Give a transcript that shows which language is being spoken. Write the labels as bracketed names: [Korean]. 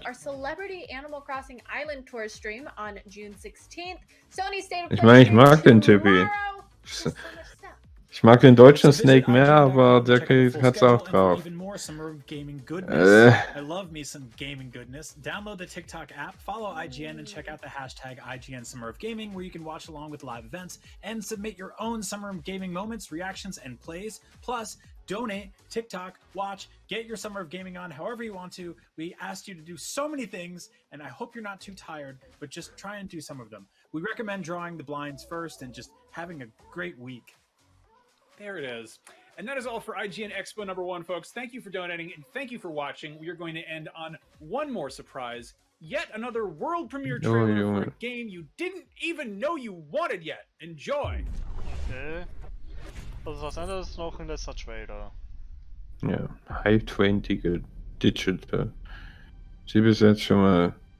[English] Our Celebrity Animal Crossing Island Tour stream on June 16th. Sony State of [German] Play. Ich meine, ich mag den Tippy. Ich mag den deutschen Snake mehr, aber der hat's auch drauf. [English] I love me some gaming goodness. Download the TikTok app, follow IGN and check out the hashtag IGN Summer of Gaming where you can watch along with live events and submit your own Summer of Gaming moments, reactions and plays. Plus, donate, TikTok, watch, get your Summer of Gaming on however you want to. We asked you to do so many things and I hope you're not too tired, but just try and do some of them. We recommend drawing the blinds first and just having a great week. There it is. And that is all for IGN Expo number one, folks. Thank you for donating and thank you for watching. We are going to end on one more surprise. Yet another world premiere trailer for a game you didn't even know you wanted yet. Enjoy! Okay. [German] Also, was anderes ist noch ein letzter Trailer. Ja, High 20 Digital. Sie bis jetzt schon mal.